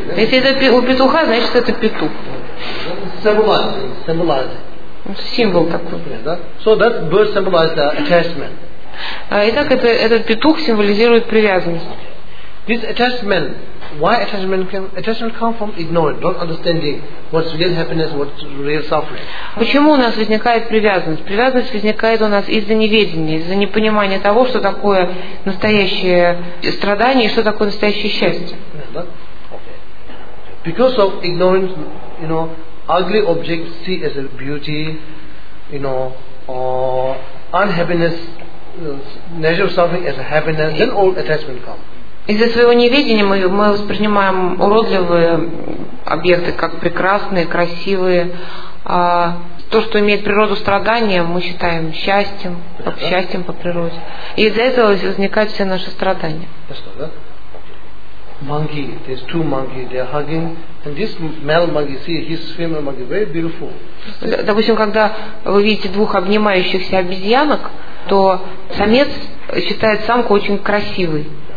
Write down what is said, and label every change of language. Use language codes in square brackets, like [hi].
[ru] Если это у петуха, значит это петух. [en] Symbolize. [ru] Символ такой. [en] So that bird symbolizes the attachment. [ru] Итак, этот петух символизирует привязанность. [en] This attachment, why attachment can attachment come from ignorance, not understanding what's real happiness, what's real suffering? [ru] Почему у нас возникает привязанность? Привязанность возникает у нас из-за неведения, из-за непонимания того, что такое настоящее страдание и что такое настоящее счастье. [en] Because of ignorance, you know, ugly objects see as a beauty, you know, or unhappiness, natural suffering as a happiness, then all attachment comes. [ru] Из-за своего неведения мы воспринимаем уродливые объекты как прекрасные, красивые. То, что имеет природу страдания, мы считаем счастьем, как счастьем по природе. И из-за этого возникают все наши страдания. [en] Monkey, there's two monkeys, they're hugging, and this male monkey, see, his female monkey, very beautiful. [ru] Допустим, когда вы видите двух обнимающихся обезьянок, то самец считает самку очень красивой.